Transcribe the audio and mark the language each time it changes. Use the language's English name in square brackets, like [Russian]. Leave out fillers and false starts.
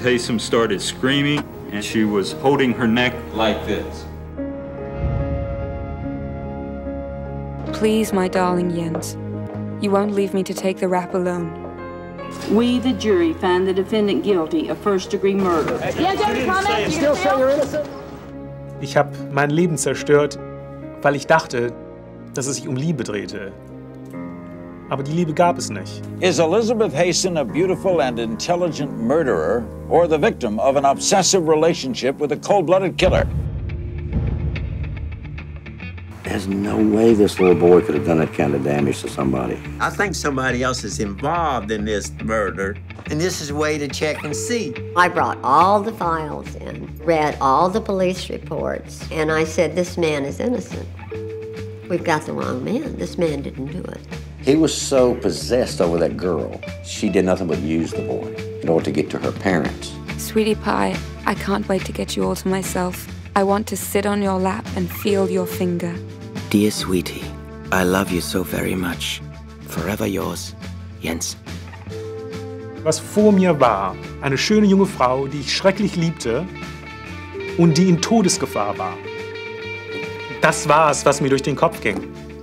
[English] Haysom started screaming and she was holding her neck like this. Please, my darling Jens, you won't leave me to take the rap alone. We, the jury, find the defendant guilty of first-degree murder. Jens, don't comment. You still say you're innocent? [German] Ich habe mein Leben zerstört, weil ich dachte, dass es sich Liebe drehte. Aber die Liebe gab es nicht. [English] Is Elizabeth Haysom a beautiful and intelligent murderer, or the victim of an obsessive relationship with a cold-blooded killer? There's no way this little boy could have done that kind of damage to somebody. I think somebody else is involved in this murder, and this is a way to check and see. I brought all the files in, read all the police reports, and I said, this man is innocent. We've got the wrong man. This man didn't do it. He was so possessed over that girl, she did nothing but use the boy in order to get to her parents. Sweetie Pie, I can't wait to get you all to myself. I want to sit on your lap and feel your finger. Dear sweetie, I love you so very much. Forever yours, Jens. [German] Was vor mir war, eine schöne junge Frau, die ich schrecklich liebte und die in Todesgefahr war. Das war es, was mir durch den Kopf ging.